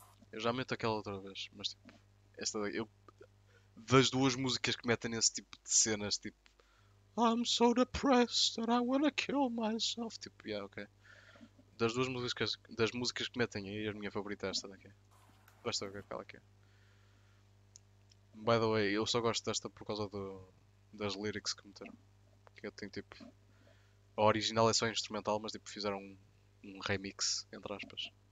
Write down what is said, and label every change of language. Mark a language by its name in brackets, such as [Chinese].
[Portuguese] Eu já meto aquela outra vez, mas tipo. Esta daqui. Eu... Das duas músicas que metem nesse tipo de cenas, tipo. [English] I'm so depressed that I wanna kill myself. [Portuguese] Tipo, yeah, ok. Das duas músicas. Das músicas que metem aí, a minha favorita é esta daqui. Basta ver aquela aqui. [English] By the way, [Portuguese] eu só gosto desta por causa do. Das lyrics que meteram. Que eu tenho tipo. A original é só instrumental, mas tipo fizeram um remix, entre aspas.